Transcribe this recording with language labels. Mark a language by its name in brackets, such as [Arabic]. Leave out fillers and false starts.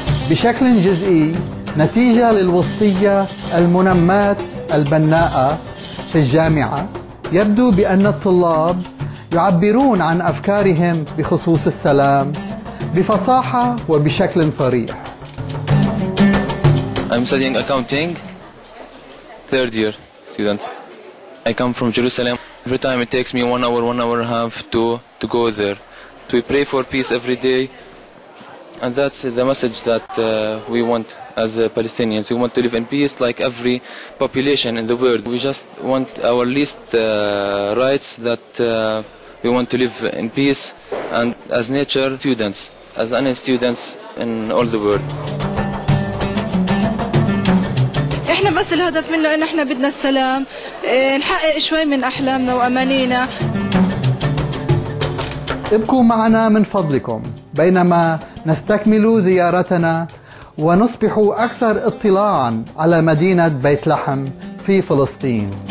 [Arabic] بشكل جزئي نتيجة للوصية المنماة البناءة في الجامعة، يبدو بأن الطلاب يعبرون عن أفكارهم بخصوص السلام بفصاحة وبشكل صريح. [English] I'm studying accounting, third year student. I come from Jerusalem. Every time it takes me one hour and a half to go there. We pray for peace every day. And that's the message that we want as Palestinians. We want to live in peace like every population in the world. We just want our least rights, that we want to live in peace and as nature students, as any students in all the world. [Arabic] احنا بس الهدف منه ان احنا بدنا السلام، نحقق شوي من احلامنا وامانينا. ابقوا معنا من فضلكم بينما نستكمل زيارتنا ونصبح أكثر اطلاعا على مدينة بيت لحم في فلسطين.